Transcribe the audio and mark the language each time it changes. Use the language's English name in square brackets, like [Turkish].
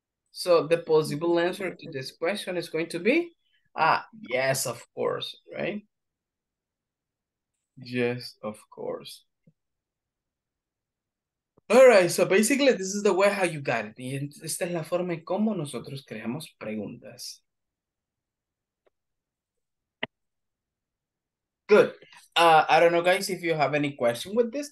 [English] So the possible answer to this question is going to be yes, of course, right? Yes, of course. All right, so basically this is the way how you got it. [Spanish] Y esta es la forma en cómo nosotros creamos preguntas. [English] Good. I don't know, guys, if you have any question with this.